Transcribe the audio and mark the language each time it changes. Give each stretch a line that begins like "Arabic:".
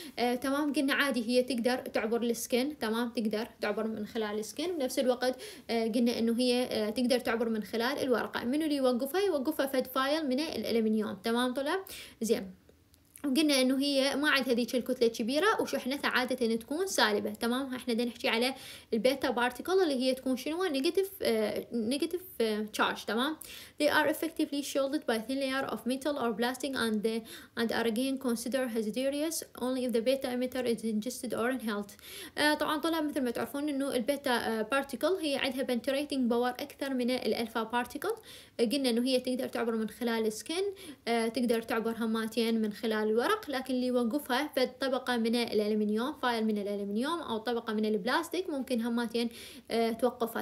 Arabic: تمام، قلنا عادي هي تقدر تعبر السكن. تمام، تقدر تعبر من خلال السكن، بنفس الوقت قلنا إنه هي تقدر تعبر من خلال الورقة. منو اللي يوقفها؟ يوقفها فد فايل من الألمنيوم. تمام طلاب، زين، قلنا انه هي ما عاد هذيك الكتلة كبيرة وشحنتها عادة تكون سالبة. تمام، احنا دا نحكي على البيتا بارتيكل اللي هي تكون شنو؟ نيجاتيف تشارج.
English: تمام، they are effectively shielded by thin layer of metal or plastic and are again considered hazardous only if the beta emitter is ingested or inhaled.
Arabic: طبعا طلاب مثل ما تعرفون انه البيتا بارتيكل هي عندها بنتريتنج باور اكثر من الالفا بارتيكل. قلنا انه هي تقدر تعبر من خلال السكن، تقدر تعبر هماتين من خلال الورق، لكن اللي يوقفها فد طبقة من الألمنيوم، فايل من الألمنيوم أو طبقة من البلاستيك، ممكن هماتين توقفها.